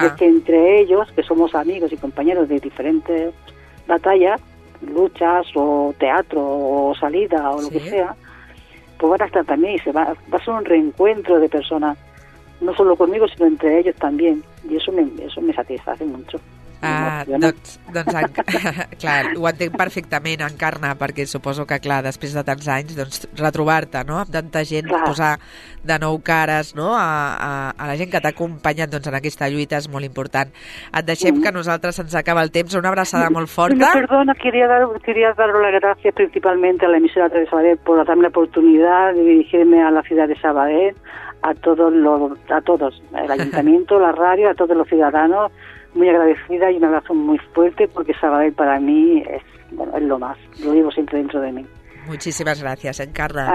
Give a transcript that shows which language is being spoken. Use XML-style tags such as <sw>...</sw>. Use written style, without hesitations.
<es>Pero es que entre ellos, que somos amigos y compañeros de diferentes batallas, luchas o teatro o salida o lo que sea, pues van a estar también y va a ser un reencuentro de personas, no solo conmigo, sino entre ellos también. Y eso me satisface mucho.</es> <ca>Doncs clar, ho entenc perfectament, Encarna, perquè suposo que, clar, després de tants anys, doncs, retrobar-te, no?, amb tanta gent, posar de nou cares, no?, a la gent que t'ha acompanyat, doncs, en aquesta lluita és molt important. Et deixem, que a nosaltres se'ns acaba el temps. Una abraçada molt forta. No, perdona,</ca> <es>quería dar</es> <ca>la gràcia principalment a l'emissora de Sabadell per donar-me l'oportunitat de dirigir-me a la ciutat de Sabadell, a tots, l'Ajuntament, la ràdio, a tots els ciutadans.</ca> <es>Muy agradecida y un abrazo muy fuerte porque Sabadell para mí es, bueno, es lo más. Lo llevo siempre dentro de mí. Muchísimas gracias, Encarna.</es>